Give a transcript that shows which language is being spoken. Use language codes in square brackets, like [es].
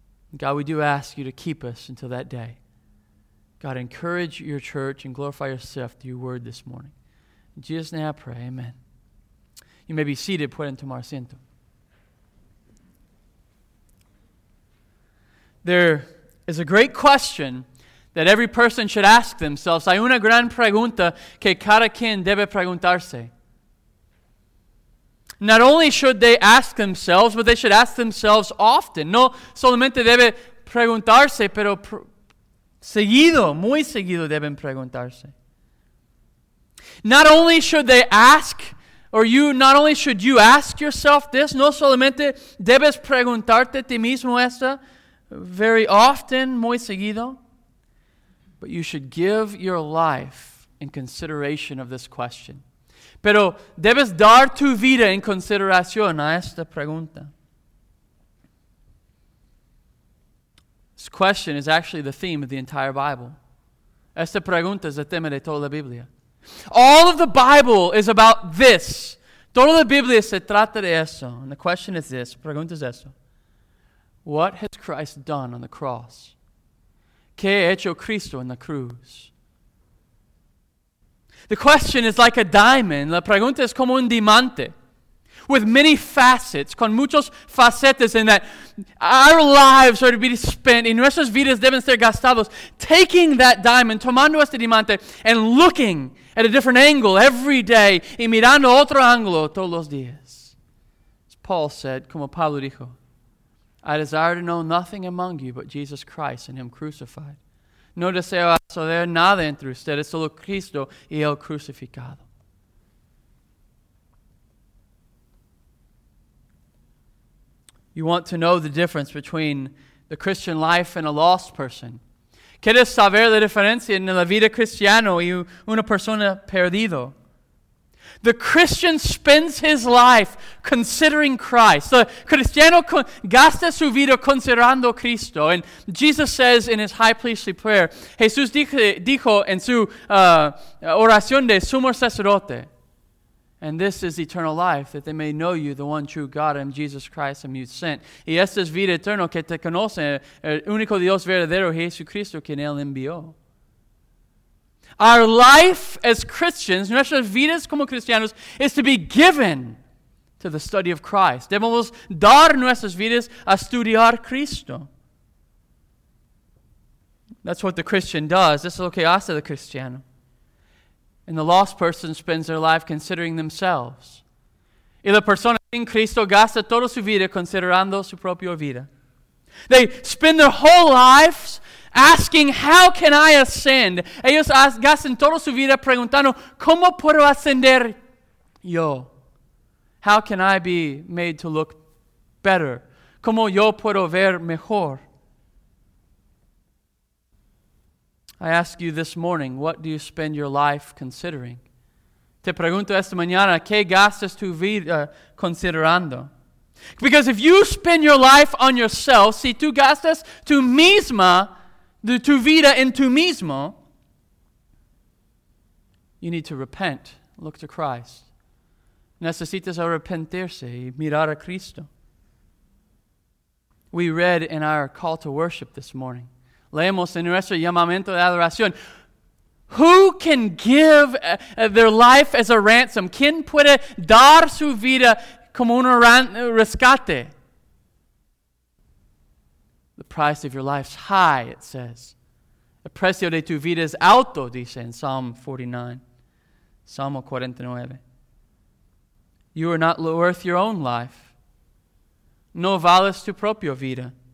[en] And God, we do ask You to keep us until that day. God, encourage Your church and glorify Yourself through Your word this morning. In Jesus' name I pray, amen. You may be seated. [es] Pueden tomar asiento. [en] There is a great question that every person should ask themselves. [es] Hay una gran pregunta que cada quien debe preguntarse. [en] Not only should they ask themselves, but they should ask themselves often. [es] No solamente debe preguntarse, pero seguido, muy seguido deben preguntarse. [en] Not only should they ask, or you, not only should you ask yourself this, [es] no solamente debes preguntarte a ti mismo esta, [en] very often, [es] muy seguido, [en] but you should give your life in consideration of this question. [es] Pero debes dar tu vida en consideración a esta pregunta. [en] This question is actually the theme of the entire Bible. [es] Esta pregunta es el tema de toda la Biblia. [en] All of the Bible is about this. [es] Toda la Biblia se trata de eso. [en] And the question is this. [es] Pregunta es eso. [en] What has Christ done on the cross? [es] ¿Qué ha hecho Cristo en la cruz? [en] The question is like a diamond. [es] La pregunta es como un diamante. [en] With many facets, [es] con muchos facetas, [en] in that our lives are to be spent, [es] y nuestras vidas deben ser gastados, [en] taking that diamond, [es] tomando este diamante, [en] and looking at a different angle every day, [es] y mirando otro ángulo todos los días. [en] As Paul said, [es] como Pablo dijo, [en] I desire to know nothing among you but Jesus Christ and Him crucified. [es] No deseo saber nada entre ustedes, solo Cristo y Él crucificado. [en] You want to know the difference between the Christian life and a lost person. [es] ¿Quieres saber la diferencia en la vida cristiana y una persona perdido? [en] The Christian spends his life considering Christ. [es] The Cristiano gasta su vida considerando Cristo. [en] And Jesus says in his high priestly prayer, [es] Jesús dijo en su oración de sumo sacerdote, [en] and this is eternal life, that they may know you, the one true God, and Jesus Christ, whom you sent. [es] Y esta es vida eterna, que te conocen el único Dios verdadero, Jesucristo, quien él envió. [en] Our life as Christians, [es] nuestras vidas como cristianos, [en] is to be given to the study of Christ. [es] Debemos dar nuestras vidas a estudiar Cristo. [en] That's what the Christian does. This is [es] lo que hace el cristiano. [en] And the lost person spends their life considering themselves. [es] Y la persona sin Cristo gasta toda su vida considerando su propia vida. [en] They spend their whole lives asking, how can I ascend? [es] Ellos gastan toda su vida preguntando, ¿cómo puedo ascender yo? [en] How can I be made to look better? [es] ¿Cómo yo puedo ver mejor? [en] I ask you this morning, what do you spend your life considering? [es] Te pregunto esta mañana, ¿qué gastas tu vida considerando? [en] Because if you spend your life on yourself, [es] si tú gastas tu misma, tu vida en tu mismo, [en] you need to repent, look to Christ. [es] Necesitas arrepentirse y mirar a Cristo. [en] We read in our call to worship this morning. [es] Leemos en nuestro llamamiento de adoración. [en] Who can give their life as a ransom? [es] ¿Quién puede dar su vida como un rescate? [en] The price of your life's high, it says. [es] El precio de tu vida es alto, dice en Psalm 49. [en] Salmo 49. You are not worth your own life. [es] No vales tu propia vida.